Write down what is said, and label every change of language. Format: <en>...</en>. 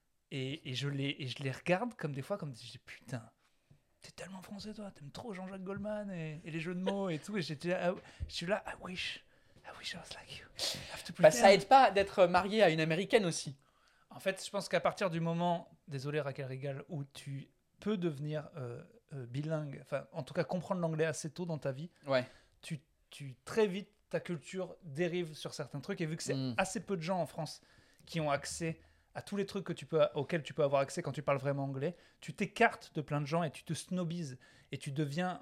<fr>Et je les regarde comme des fois, comme des gens, putain. T'es tellement français, toi. T'aimes trop Jean-Jacques Goldman et les jeux de mots et tout. Et je suis là,</fr> <en>I wish I was like you.</en> <fr>Bah, ça aide pas d'être marié à une Américaine aussi. En fait, je pense qu'à partir du moment, désolé Raquel Rigal, où tu peux devenir bilingue, enfin, en tout cas, comprendre l'anglais assez tôt dans ta vie, ouais. Tu très vite, ta culture dérive sur certains trucs. Et vu que c'est assez peu de gens en France qui ont accès à tous les trucs auxquels tu peux avoir accès quand tu parles vraiment anglais, tu t'écartes de plein de gens et tu te snobises. Et tu deviens...</fr>